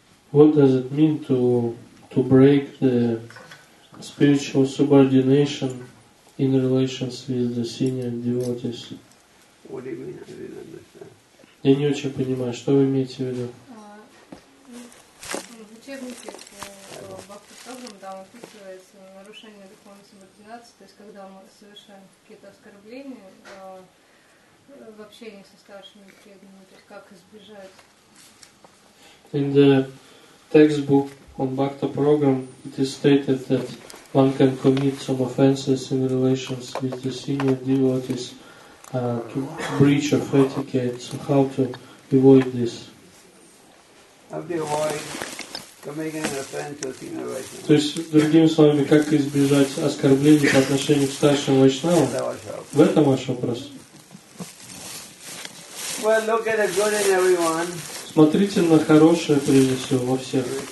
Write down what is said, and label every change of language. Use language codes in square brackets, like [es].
[en] What does it mean to break the spiritual subordination in relations with the senior devotees? What do you mean? I didn't understand. [ru] Я не очень понимаю, что вы имеете в виду? учебнике по Бхактисагам, там описывается нарушение духовной субординации, то есть когда мы совершаем какие-то оскорбления в общении со старшими преданными, то есть как избежать. [en] In the textbook on Bhakta program, it is stated that one can commit some offenses in relations with the senior devotees to breach of etiquette. So how to avoid this? [ru] То есть, другими словами, как избежать оскорблений по отношению к старшим вайшнавам? В этом ваш вопрос. Смотрите на хорошее, прежде всего, во всех.